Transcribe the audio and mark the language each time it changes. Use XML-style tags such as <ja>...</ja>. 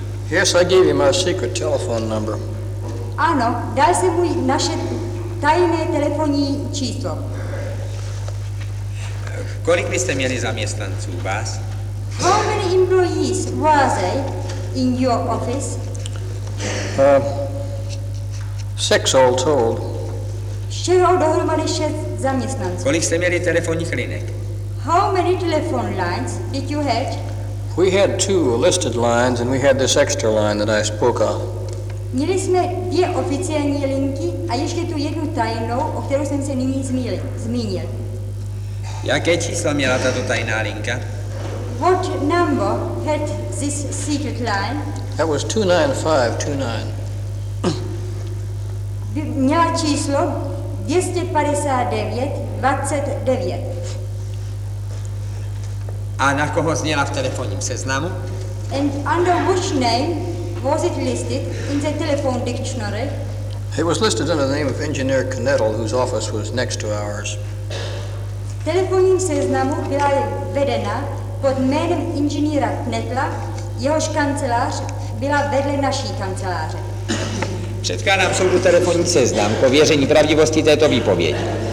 <en>Yes, I gave him our secret telephone number.</en> <cs>Ano, dal jsem mu naše tajné telefonní číslo. Kolik byste měli zaměstnanců vás?</cs> <en>How many employees were they in your office? Six all told.</en> <cs>Šero dohromady šest zaměstnanců. Kolik jste měli telefonních linek?</cs> <en>How many telephone lines did you have? We had two listed lines and we had this extra line that I spoke of.</en> <cs>Měli jsme dvě oficiální linky a ještě tu jednu tajnou, o kterou jsem se nyní zmínil. Jaké číslo měla tato tajná linka?</cs> <en>What number had this secret line? That was 29529.</en> <cs>Měla číslo 25929. A na koho zněla v telefonním seznamu?</cs> <en>And under which name was it listed in the telephone dictionary? It was listed under the name of Engineer Knettel, whose office was next to ours.</en> <cs>V telefonním seznamu byla vedena pod jménem inženýra Knettla, jehož kancelář byla vedle naší kanceláře. Předkládám soudu telefonní seznam k ověření pravdivosti této výpovědi.</cs>